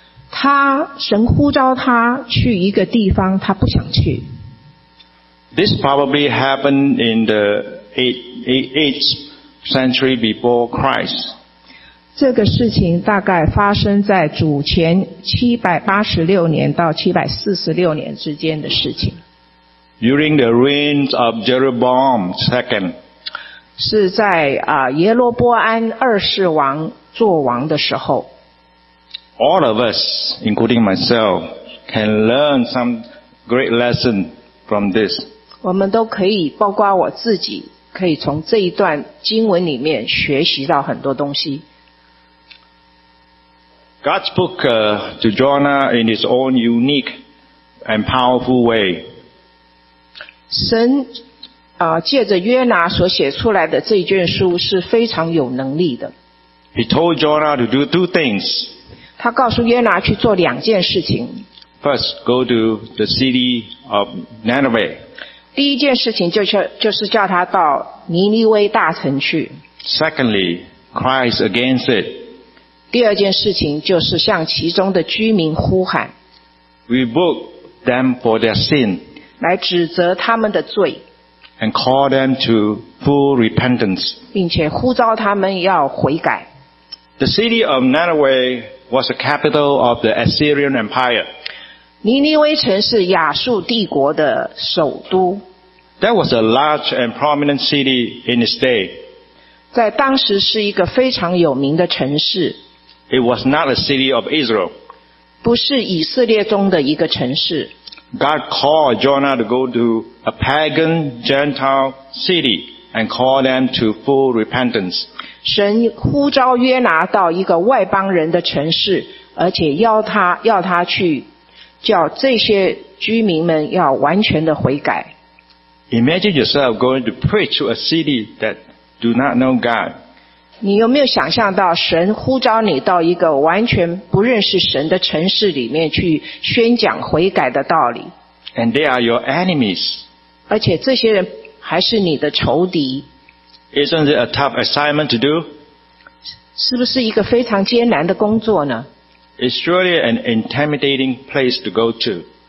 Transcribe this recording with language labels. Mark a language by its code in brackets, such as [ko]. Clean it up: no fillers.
[zh] 他神呼召他去一个地方，他不想去。 [en] This probably happened in the 8th century before Christ. [zh] 这个事情大概发生在主前786年到746年之间的事情。 [en] During the reigns of Jeroboam II, [zh] 是在耶罗波安二世王做王的时候。 [en] All of us, including myself, can learn some great lesson from this. [zh] 我们都可以，包括我自己，可以从这一段经文里面学习到很多东西。 [en] God spoke to Jonah in his own unique and powerful way. [zh] 神借着约拿所写出来的这一卷书是非常有能力的。 [en] He told Jonah to do two things. [zh] 他告诉约拿去做两件事情。 [en] First, go to the city of Nineveh. [zh] 第一件事情就是叫他到尼尼微大城去。 [en] Secondly, cries against it. [zh] 第二件事情就是向其中的居民呼喊。 [en] Rebuke them for their sin. [zh] 来指责他们的罪 [en] and call them to full repentance, [zh] 并且呼召他们要悔改。 [en] The city of Nineveh was the capital of the Assyrian Empire. [zh] 尼尼微城是亚述帝国的首都。 [en] That was a large and prominent city in its day. [zh] 在当时是一个非常有名的城市。 [en] It was not a city of Israel. [zh] 不是以色列中的一个城市。 [en] God called Jonah to go to a pagan Gentile city and call them to full repentance. [zh] 神呼召约拿到一个外邦人的城市，而且要他去叫这些居民们要完全的悔改。 [en] Imagine yourself going to preach to a city that do not know God. [zh] 你有没有想象到神呼召你到一个完全不认识神的城市里面去宣讲悔改的道理？ [en] And they are your enemies. [zh] 而且这些人还是你的仇敌。 [en] Isn't it a tough assignment to do? [zh] 是不是一个非常艰难的工作呢？ [en] It's surely an intimidating place to go to.